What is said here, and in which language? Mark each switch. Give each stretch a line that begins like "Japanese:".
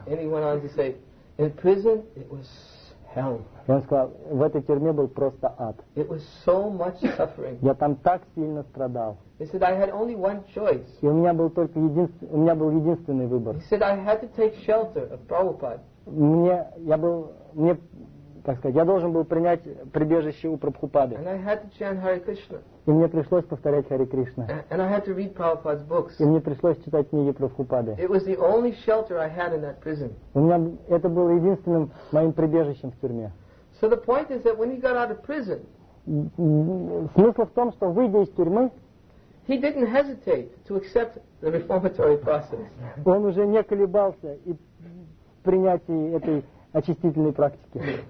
English: And he went on to say, in prison it was.
Russian: И он сказал, в этой тюрьме был просто ад.
English: It was so much suffering.
Russian: Я там так сильно страдал.
English: He said, I had only one choice.
Russian: И у меня был единственный выбор.
English: He said, I had to take shelter of Prabhupada.
Russian: мне, я был, мне, как сказать, я должен был принять прибежище у Прабхупады.
English: And I had to chant Hare Krishna.
Russian: И мне пришлось повторять Хари Кришна.
English: And I had to read Prabhupada's books.
Russian: И мне пришлось читать книги Прабхупады.
English: It was the only shelter I had in that prison.
Russian: У меня это было единственным моим прибежищем в тюрьме.
English: So the point is that when he got out of prison,
Russian: смысл в том, что выйдя из тюрьмы,
English: he didn't hesitate to accept the reformatory process.
Russian: Он уже не колебался и в принятии этой очистительной практики.